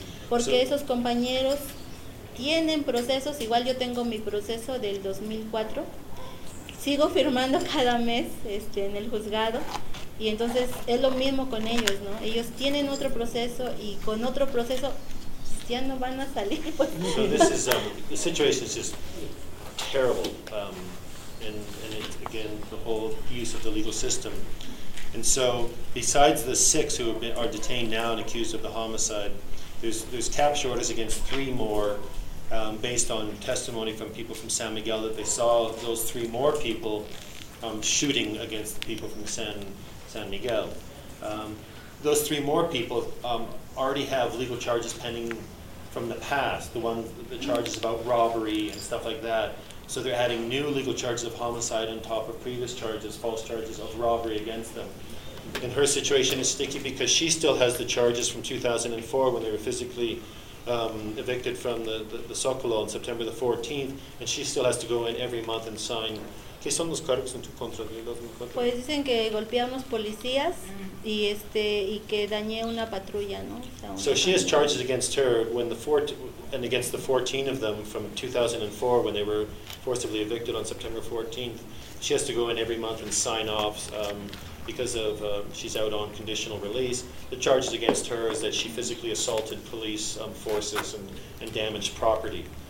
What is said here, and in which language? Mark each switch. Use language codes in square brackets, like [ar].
[es] Porque esos compañeros tienen procesos, igual yo tengo mi proceso del 2004, sigo firmando cada mes en el juzgado, Y entonces es lo mismo con ellos, ¿no? Ellos tienen otro proceso y con otro proceso ya no van a salir. [en] So this is, the situation is just terrible. And it, again, the whole use of the legal system. And so besides the six who have been, are detained now and accused of the homicide, there's capture orders against three more based on testimony from people from San Miguel that they saw those three more people shooting against the people from San Miguel. Those three more people already have legal charges pending from the past, the charges about robbery and stuff like that. So they're adding new legal charges of homicide on top of previous charges, false charges of robbery against them. And her situation is sticky because she still has the charges from 2004 when they were physically evicted from the Socolo on September the 14th, and she still has to go in every month and sign. [es] ¿Qué son los cargos en tu contra? Pues dicen que golpeamos policías y y que dañé una patrulla, ¿no? [en] So she has charges against her when against the 14 of them from 2004 when they were forcibly evicted on September 14th. She has to go in every month and sign off because of she's out on conditional release. The charges against her is that she physically assaulted police forces and damaged property.